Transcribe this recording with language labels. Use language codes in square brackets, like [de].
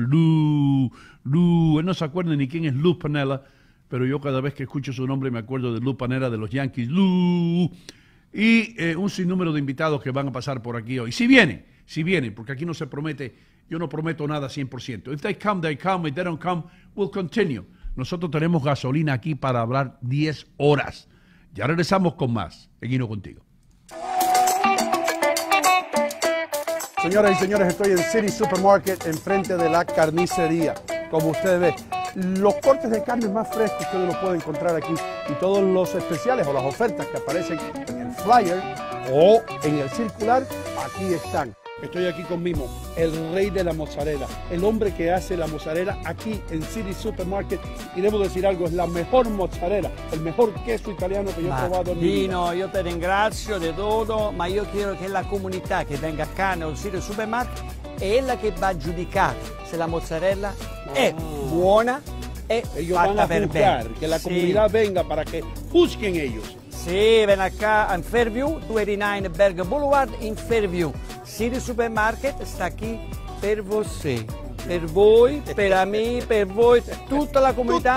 [es] Lu, él no se acuerda ni quién es Lu Piniella, pero yo cada vez que escucho su nombre me acuerdo de Lu Piniella de los Yankees. ¡Lu! Y un sinnúmero de invitados que van a pasar por aquí hoy. Si vienen, porque aquí no se promete, yo no prometo nada 100%. [en] If they come, if they don't come, we'll continue. [es] Nosotros tenemos gasolina aquí para hablar 10 horas. Ya regresamos con más. Seguino contigo. Señoras y señores, estoy en City Supermarket, enfrente de la carnicería. Como ustedes ven, los cortes de carne más frescos que uno puede encontrar aquí y todos los especiales o las ofertas que aparecen en el flyer o en el circular, aquí están. Estoy aquí con Mimo, el rey de la mozzarella, el hombre que hace la mozzarella aquí en City Supermarket. Y debo decir algo, es la mejor mozzarella, el mejor queso italiano que yo he probado en mi vida. Mino, yo te [it] ringrazio [es] de todo, ma yo quiero que la comunidad que venga acá en el City Supermarket es la que va a juzgar si la mozzarella es buena o ellos van a juzgar, que la comunidad venga para que juzguen ellos. Sí, ven acá en Fairview, 289 Berg Boulevard, en Fairview. City Supermarket está aquí [it] per você, per voi, per a mí, per voi, tutta la comunità.